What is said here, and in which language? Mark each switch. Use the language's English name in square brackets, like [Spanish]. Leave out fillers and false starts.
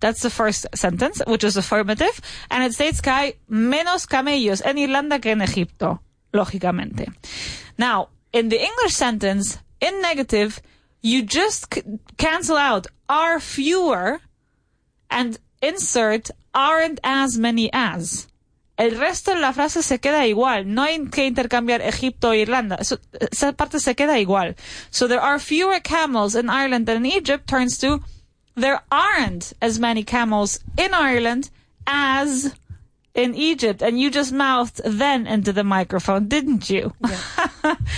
[English] That's the first sentence, which is affirmative. And it states [Spanish] que hay menos camellos en Irlanda que en Egipto, lógicamente. [English] Now, in the English sentence, in negative, you just cancel out are fewer and insert aren't as many as. [Spanish] El resto de la frase se queda igual. No hay que intercambiar Egipto e Irlanda. Esa parte se queda igual. [English] So there are fewer camels in Ireland than in Egypt turns to there aren't as many camels in Ireland as in Egypt. And you just mouthed then into the microphone, didn't you? Yeah.